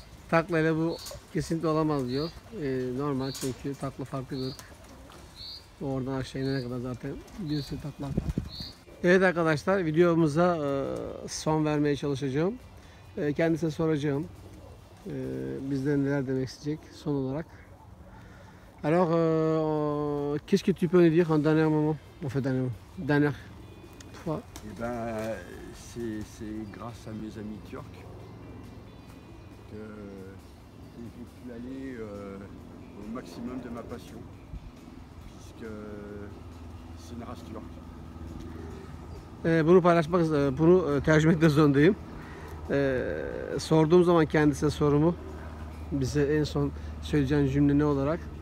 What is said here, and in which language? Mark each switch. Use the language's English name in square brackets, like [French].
[Turkish] Takla ile bu kesinlikle olamaz diyor. Normal çünkü takla farklı bir ırk. Oradan aşağı inene kadar zaten bir sürü takla. Evet arkadaşlar, videomuza son vermeye çalışacağım. Kendisine soracağım. bizden neler demek isteyecek son olarak. [French] Alors, qu'est-ce que tu peux nous dire en dernier moment, en fait, dernière fois? Eh ben, c'est grâce à mes amis turcs que j'ai pu aller au maximum de ma passion, puisque c'est une race turque. [Turkish] Bunu paylaşmak, bunu tercüme etmek zorundayım. Sorduğum zaman kendisine sorumu, bize en son söyleyeceğin cümle ne olarak?